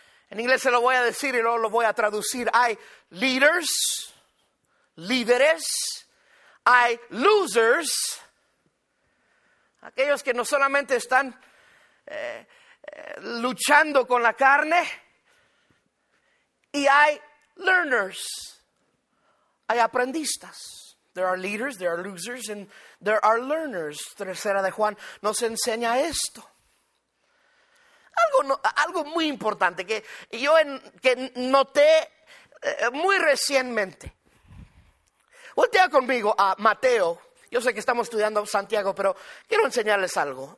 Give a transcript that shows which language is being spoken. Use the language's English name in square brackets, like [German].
[Spanish] En inglés se lo voy a decir y luego lo voy a traducir. Hay leaders, líderes, hay losers, aquellos que no solamente están luchando con la carne, y hay learners, hay aprendistas. [English] There are leaders, there are losers, and there are learners. [Spanish] Tercera de Juan nos enseña esto. Algo muy importante que yo que noté muy recientemente. Voltea conmigo a Mateo. Yo sé que estamos estudiando Santiago, pero quiero enseñarles algo.